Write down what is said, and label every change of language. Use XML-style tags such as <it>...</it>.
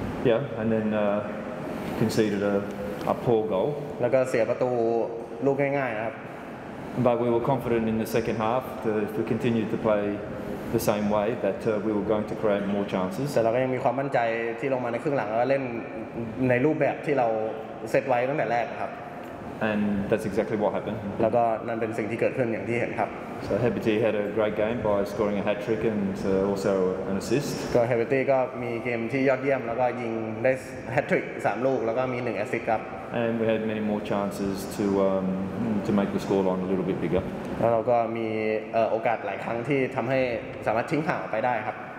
<en>Yeah, and then conceded a poor goal.</en> <th>แล้วก็เสียประตูลูกง่ายๆครับ</th> <en>But we were confident in the second half that if we continued to playThe same way that we were going to create more chances.</en> <th>แต่เราก็ยังมีความมั่นใจที่ลงมาในครึ่งหลังแล้วเล่นในรูปแบบที่เราเซตไว้ตั้งแต่แรกครับ</th> <en>And that's exactly what happened.</en> <th>แล้วก็นั่นเป็นสิ่งที่เกิดขึ้นอย่างที่เห็นครับ</th> <en>So Hebity had a great game by scoring a hat trick and also an assist.</en> <th>ก็ Hebity ก็มีเกมที่ยอดเยี่ยมแล้วก็ยิงได้ hat trick 3ลูกแล้วก็มี1 assist ครับ</th> <en>And we had many more chances to make the scoreline a little bit bigger.</en> <th>แล้วเราก็มีโอกาสหลายครั้งที่ทำให้สามารถทิ้งห่างไปได้ครับ</th>